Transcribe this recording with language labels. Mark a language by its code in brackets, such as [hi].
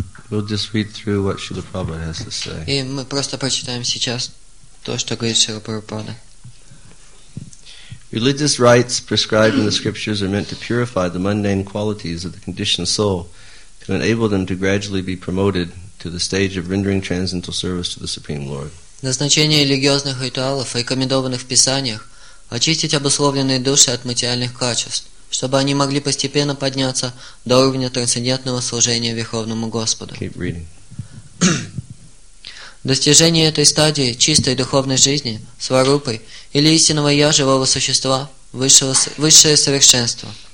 [en] We'll just read through what Srila Prabhupada has to say. [ru] И мы просто прочитаем сейчас то, что говорит Шрила Прабхупада. [en] Religious rites prescribed in the scriptures are meant to purify the mundane qualities of the conditioned soul to enable them to gradually be promoted to the stage of rendering transcendental service to the Supreme Lord. [ru] Назначение религиозных ритуалов, рекомендованных в писаниях, очистить обусловленные души от материальных качеств, чтобы они могли постепенно подняться до уровня трансцендентного служения Верховному Господу. [en] Keep reading. [ru] Достижение этой стадии чистой духовной жизни, сварупы, или истинного «я» живого существа, высшее совершенство.